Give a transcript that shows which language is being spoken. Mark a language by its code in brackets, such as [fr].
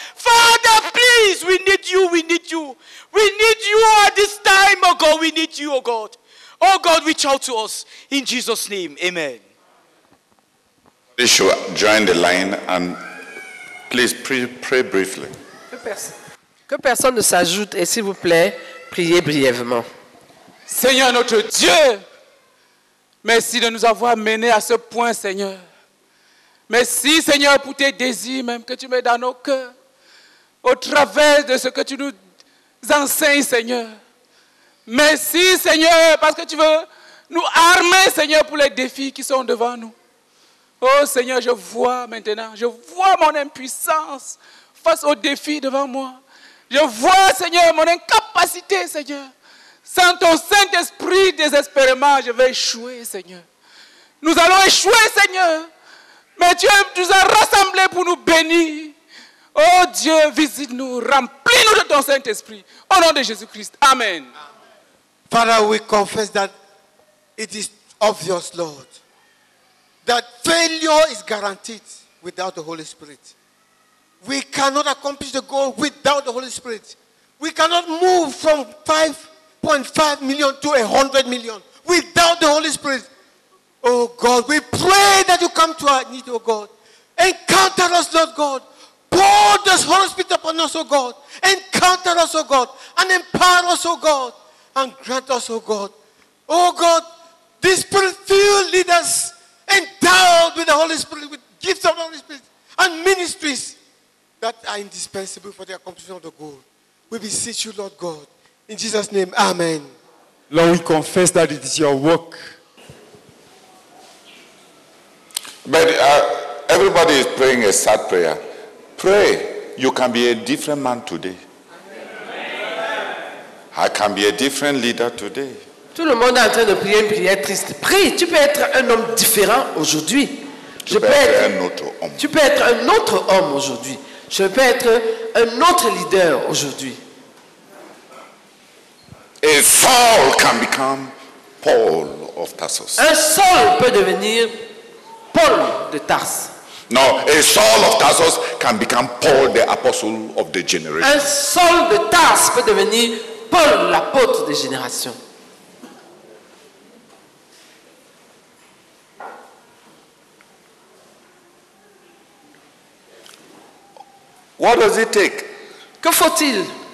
[en] Father, please, we need you, we need you. We need you at this time, oh God, we need you, oh God. Oh God, reach out to us in Jesus' name. Amen. Please show, join the line and please pray briefly. [fr] Que personne ne s'ajoute et s'il vous plaît, priez brièvement. Seigneur notre Dieu, Merci de nous avoir menés à ce point, Seigneur. Merci, Seigneur, pour tes désirs même que tu mets dans nos cœurs, au travers de ce que tu nous enseignes, Seigneur. Merci, Seigneur, parce que tu veux nous armer, Seigneur, pour les défis qui sont devant nous. Oh, Seigneur, je vois maintenant, je vois mon impuissance face aux défis devant moi. Je vois, Seigneur, mon incapacité, Seigneur. Sans ton Saint-Esprit, désespérément, je vais échouer, Seigneur. Nous allons échouer, Seigneur. Mais tu nous as rassemblés pour nous bénir. Oh Dieu, visite-nous, remplis-nous de ton Saint-Esprit. Au nom de Jésus-Christ. Amen. [en] Father, we confess that it is obvious, Lord, that failure is guaranteed without the Holy Spirit. We cannot accomplish the goal without the Holy Spirit. We cannot move from 5.5 million to 100 million without the Holy Spirit. Oh God, we pray that you come to our need, oh God. Encounter us, Lord God. Pour the Holy Spirit upon us, oh God. Encounter us, oh God. And empower us, oh God. And grant us, oh God. Oh God, this Spirit-filled leaders endowed with the Holy Spirit, with gifts of the Holy Spirit, and ministries that are indispensable for the accomplishment of the goal. We beseech you, Lord God. In Jesus' name, amen. Lord, we confess that it is your work. But everybody is praying a sad prayer. Pray, you can be a different man today. Amen. I can be a different leader today. [fr] Tout le monde est en train de prier une prière triste. Prie, tu peux être un homme différent aujourd'hui. Tu peux être un autre homme aujourd'hui. Je peux être un autre leader aujourd'hui. [en] A Saul can become Paul of Tarsus. [fr] Un Saul peut devenir Paul de Tars. [en] No, a Saul of Tarsus can become Paul the apostle of the generation. [fr] Un Saul de Tars peut devenir Paul l'apôtre des générations. [en] What does it take? [fr] Que faut-il?